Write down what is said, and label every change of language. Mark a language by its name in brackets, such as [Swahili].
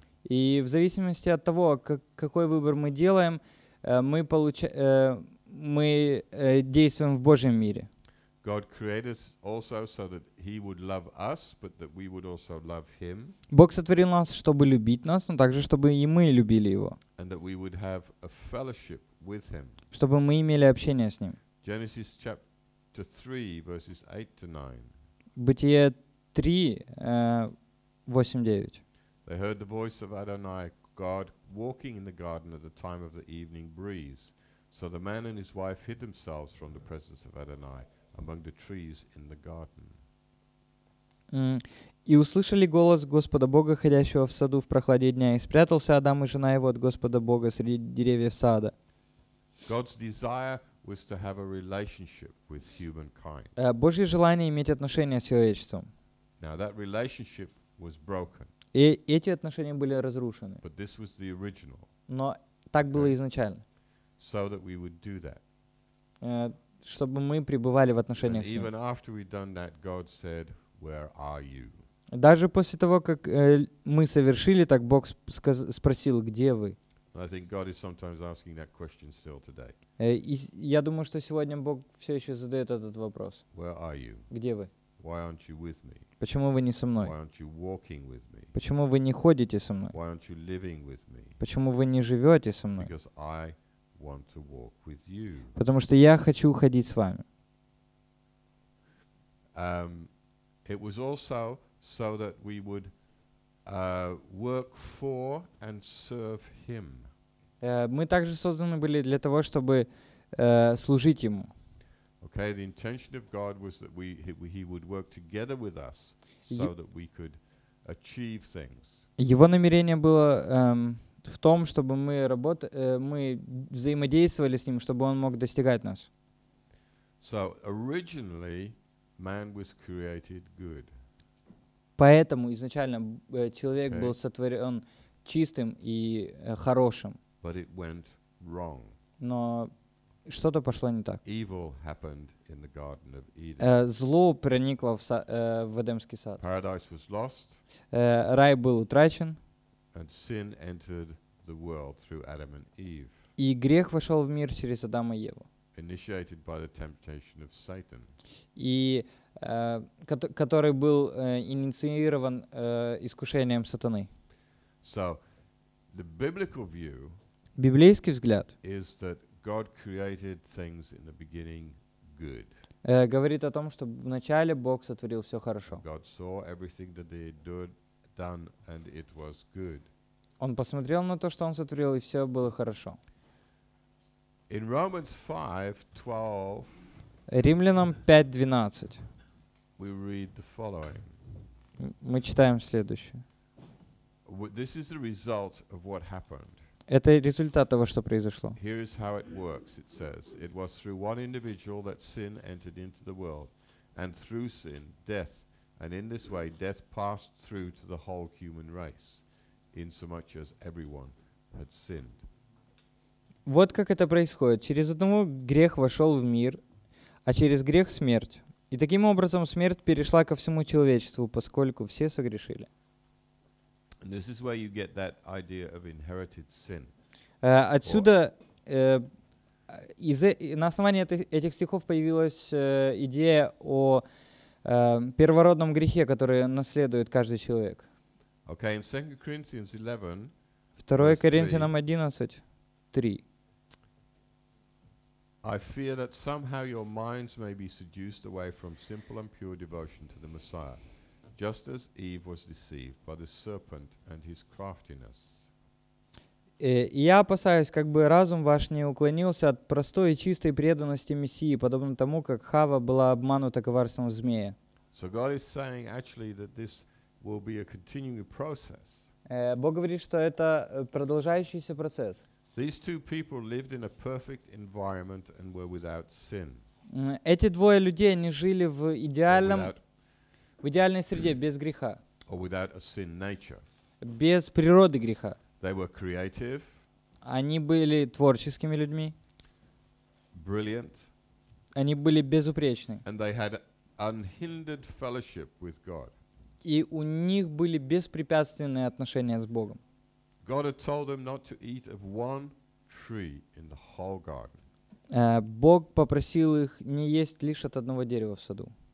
[Russian] И в зависимости от того, какой выбор мы делаем, мы получаем... Мы действуем в Божьем мире. [English] God created us also so that He would love us, but that we would also love Him. [Russian] Бог сотворил нас, чтобы любить нас, но также чтобы и мы любили Его. [English] And that we would have a fellowship with Him. [Russian] Чтобы мы имели общение с Ним. [English] Genesis chapter 3, verses 8 to 9. [Russian] Бытие 3, 8-9. [English] They heard the voice of Adonai, God, walking in the garden at the time of the evening breeze. So the man and his wife hid themselves from the presence of Adonai among the trees in the garden. [Russian] И услышали голос Господа Бога, ходящего в саду в прохладе дня, и спрятался Адам и жена его от Господа Бога среди деревьев сада. [English] God's desire was to have a relationship with humankind. [Russian] Божье желание иметь отношения с человечеством. [English] Now that relationship was broken. [Russian] И эти отношения были разрушены. [English] But this was the original. [Russian] Но так было изначально. [English] So that we would do that. [Russian] Чтобы мы пребывали в отношениях с ним. [English] Even after we'd done that, God said, "Where are you?" [Russian] Даже после того, как мы совершили так, Бог спросил, где вы? [English] I think God is sometimes asking that question still today. [Russian] Я думаю, что сегодня Бог все еще задает этот вопрос. [English] Where are you? [Russian] Где вы? [English] Why aren't you with me? [Russian] Почему вы не со мной? [English] Why aren't you walking with me? [Russian] Почему вы не ходите со мной? [English] Why aren't you living with me? [Russian] Почему вы не живете со мной? [English] Because I want to walk with you. [Russian] Потому что я хочу ходить с вами. [English] It was also so that we would work for and serve him. [Russian] Мы также созданы были для того, чтобы служить ему. [English] Okay, the intention of God was that he would work together with us so that we could achieve things. [Russian] Его намерение было в том, чтобы мы взаимодействовали с ним, чтобы он мог достигать нас. [English] So originally man was created good. [Russian] Поэтому изначально человек okay. был сотворен чистым и хорошим. [English] But it went wrong. [Russian] Но что-то пошло не так. [English] Evil happened in the Garden of Eden. [Russian] Зло проникло в Эдемский сад. [English] Paradise was lost. [Russian] Рай был утрачен. [English] And sin entered the world through Adam and Eve. [Russian] И грех вошел в мир через Адама и Еву. [English] Initiated by the temptation of Satan. [Russian] И который был инициирован искушением сатаны. [English] So, the biblical view [Russian] библейский взгляд [English] is that God created things in the beginning good. [Russian] Говорит о том, что вначале Бог сотворил все хорошо. [English] God saw everything that they had done, and it was good. [Russian] Он посмотрел на то, что он сотворил, и все было хорошо. [English] In Romans 5:12, [Russian] Римлянам 5:12. [English] We read the following. [Russian] Мы читаем следующее. [English] This is the result of what happened. [Russian] Это результат того, что произошло. [English] Here is how it works, it says. It was through one individual that sin entered into the world, and through sin, death. And in this way, death passed through to the whole human race, insomuch as everyone had sinned. [Russian] Вот как это происходит. Через одного грех вошел в мир, а через грех смерть. И таким образом смерть перешла ко всему человечеству, поскольку все согрешили. [English] And this is where you get that idea of inherited sin. [Russian] Отсюда на основании этих стихов появилась идея о первородном грехе, который наследует каждый человек. [English] Okay, in 2 Corinthians 11, [Russian] 2 Коринфянам 11:3. [English] I fear that somehow your minds may be seduced away from simple and pure devotion to the Messiah, just as Eve was deceived by the serpent and his craftiness. [Russian] Я опасаюсь, как бы разум ваш не уклонился от простой и чистой преданности Мессии, подобно тому, как Хава была обманута коварством змея. [English] So God is saying actually that this will be a continuing process. [Russian] Бог говорит, что это продолжающийся процесс. [English] These two people lived in a perfect environment and were without sin. [Russian] Эти двое людей, они жили в идеальной среде, без греха. [English] Or without a sin nature. [Russian] Без природы греха. [English] They were creative. [Russian] Они были творческими людьми. [English] Brilliant. [Russian] Они были безупречны. [English] And they had unhindered fellowship with God. [Russian] И у них были беспрепятственные отношения с Богом. [English] God had told them not to eat of one tree in the whole garden. [Russian] Бог попросил их не есть лишь от одного дерева в саду.